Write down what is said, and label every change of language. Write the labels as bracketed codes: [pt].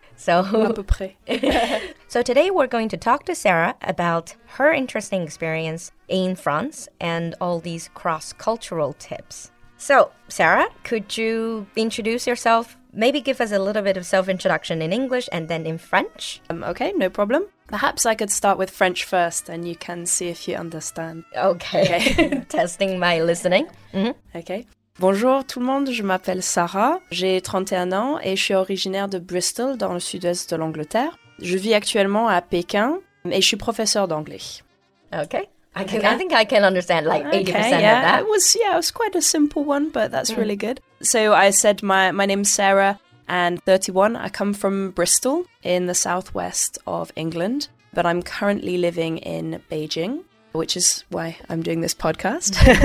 [en] So, so today we're going to talk to Sarah about her interesting experience in France and all these cross-cultural tips. So, Sarah, could you introduce yourself? Maybe give us a little bit of self-introduction in English and then in French? Okay, no problem. Perhaps I could start with French first and you can see if you understand. Okay. Testing my listening. Mm-hmm. Okay. [fr] Bonjour tout le monde, je m'appelle Sarah, j'ai 31 ans et je suis originaire de Bristol dans le sud-est de l'Angleterre. Je vis actuellement à Pékin et je suis professeure d'anglais. [en] Okay. I think I can understand like 80% okay, yeah. of that. It was quite a simple one, but that's really good. So I said my name's Sarah and 31. I come from Bristol in the southwest of England, but I'm currently living in Beijing, which is why I'm doing this podcast.